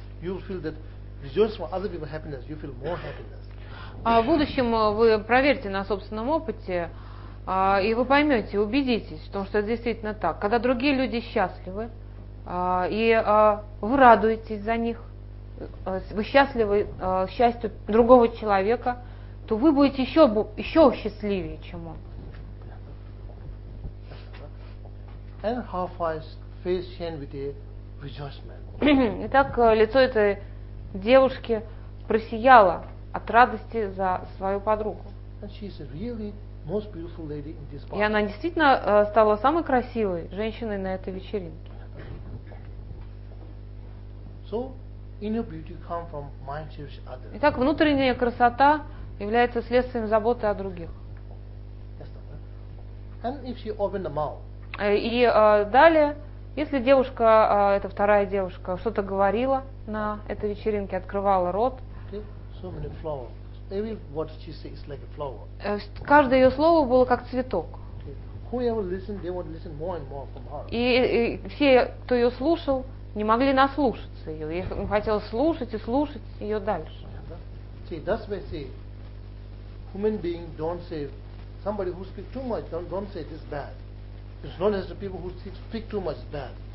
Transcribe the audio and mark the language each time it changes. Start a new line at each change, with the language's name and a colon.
English: You feel that rejoice for other people happiness. You feel more happiness.
Russian: В будущем вы проверьте на собственном опыте, и вы поймете, убедитесь в том, что это действительно так. Когда другие люди счастливы, и вы радуетесь за них. Вы счастливы счастью другого человека, то вы будете еще счастливее, чем он.
English: And her face changed with a rejoicement.
Russian: Итак, лицо этой девушки просияло от радости за свою подругу.
English: And she's a really most beautiful lady in this party.
Russian: И она действительно стала самой красивой женщиной на этой вечеринке.
English: So, inner beauty come from mind cherish others.
Russian: Итак, внутренняя красота является следствием заботы о других.
English: And if she opened the mouth.
Russian: И далее, если девушка, эта вторая девушка, что-то говорила на этой вечеринке, открывала рот.
English: Okay. So many flowers. Every word she say is like a flower.
Russian: Каждое ее слово было как цветок.
English: Okay. Whoever listened, they would listen more and more from her.
Russian: И все, кто ее слушал, не могли наслушаться ее. Я хотел слушать и слушать ее дальше.
English: See, that's why say human being don't say somebody who speaks too much don't say this bad. It's not as the people who speak too much bad.